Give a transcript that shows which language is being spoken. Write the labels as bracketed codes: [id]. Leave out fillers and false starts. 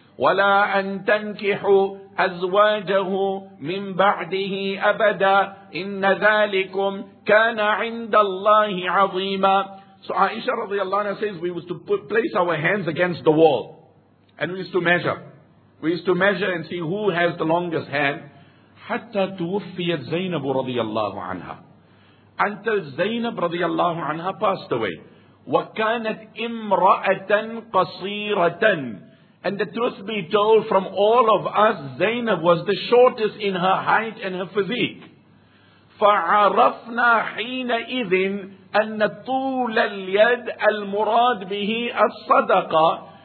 [ar] وَلَا أَن تَنْكِحُوا أَزْوَاجَهُ مِنْ بَعْدِهِ أَبَدًا إِنَّ ذَلِكُمْ كَانَ عِنْدَ اللَّهِ عَظِيمًا. [en] So Aisha radiallahu anha says, we used to place our hands against the wall, and we used to measure. We used to measure and see who has the longest hand. [ar] حَتَّى تُوفِّيَتْ زَيْنَبُ radiallahu anha. [en] Until Zainab radiallahu anha passed away. [ar] وَكَانَتْ إِمْرَأَةً قَصِيرَةً. [en] And the truth be told, from all of us, Zainab was the shortest in her height and her physique. [ar] فَعَرَفْنَا حِينَ إِذٍ أَنَّ طُولَ الْيَدِ الْمُرَادْ بِهِ الصَّدَقَةِ.